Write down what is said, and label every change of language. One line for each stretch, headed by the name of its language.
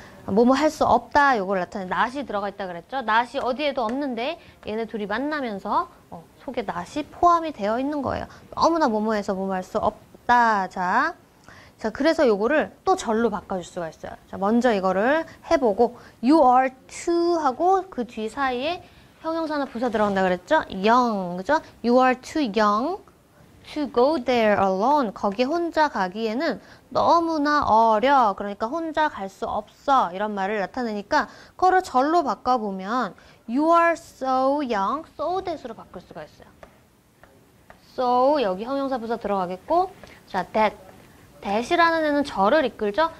Korean: 뭐뭐 할 수 없다 요걸 나타내 낫이 들어가 있다 그랬죠? 낫이 어디에도 없는데 얘네 둘이 만나면서 속에 낫이 포함이 되어 있는 거예요. 너무나 뭐뭐해서 뭐뭐 할 수 없다. 자, 그래서 요거를 또 절로 바꿔줄 수가 있어요. 자, 먼저 이거를 해보고 you are too 하고 그 뒤 사이에 형용사나 부사 들어간다 그랬죠? young, 그죠?
English: you are too young to go there alone.
Korean: 거기에 혼자 가기에는 너무나 어려. 그러니까 혼자 갈 수 없어. 이런 말을 나타내니까 그거를 절로 바꿔보면
English: you are so young,
Korean: so that으로 바꿀 수가 있어요. so 여기 형용사 부사 들어가겠고 자 that이라는 애는 절을 이끌죠?